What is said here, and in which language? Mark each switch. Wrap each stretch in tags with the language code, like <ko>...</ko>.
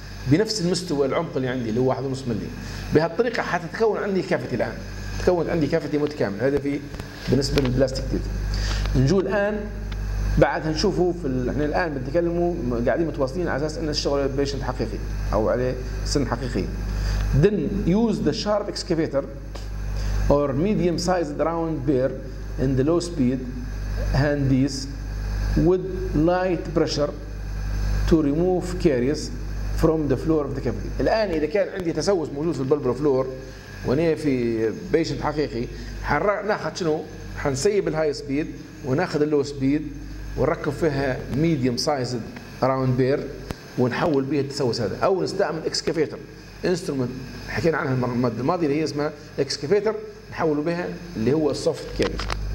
<ar>بنفس المستوى العمق اللي عندي اللي هو 1.5 ملي. بهالطريقة حتتكون عندي كافتي الآن. تكون عندي كافتي متكامل. هذا في بالنسبة للبلاستيك تيث. نجو الآن بعد هنشوفه في احنا الآن بنتكلموا قاعدين متواصلين على أساس إن الشغل بيشنت حقيقي أو عليه سن حقيقي.</ar> <en>Then use the sharp excavator or medium sized round bear in the low speed handies with light pressure to remove caries from the floor of the cavity.</en> <ar>الآن إذا كان عندي تسوس موجود في البلبر فلور وني في بيشنت حقيقي حناخذ شنو؟ حنسيب الهاي سبيد وناخذ اللو سبيد ونركب فيها ميديوم سايزد راوند بير ونحول بها التسوس هذا او نستعمل اكسكافيتر انسترومنت حكينا عنها المره الماضيه اللي هي اسمها اكسكافيتر نحول بها اللي هو السوفت كيرف.</ar>